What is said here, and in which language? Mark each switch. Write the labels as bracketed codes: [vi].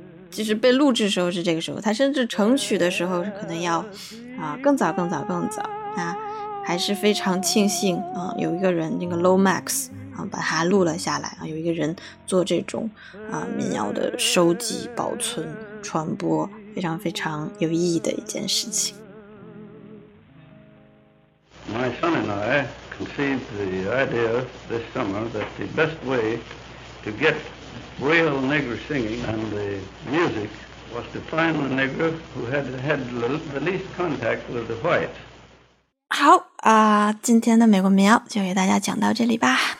[zh] 其实被录制的时候是这个时候她甚至成曲的时候可能要、啊、更早更早更早、啊还是非常庆幸、有一个人那个 Low Max、把它录了下来、有一个人做这种、民谣的收集保存传播非常非常有意义的一件事情 [en] My son and I conceived the idea this summer that the best way to get real Negro singing and the music was to find the Negro who had had the least contact with the whites [zh] 好啊、今天的美国民谣就给大家讲到这里吧。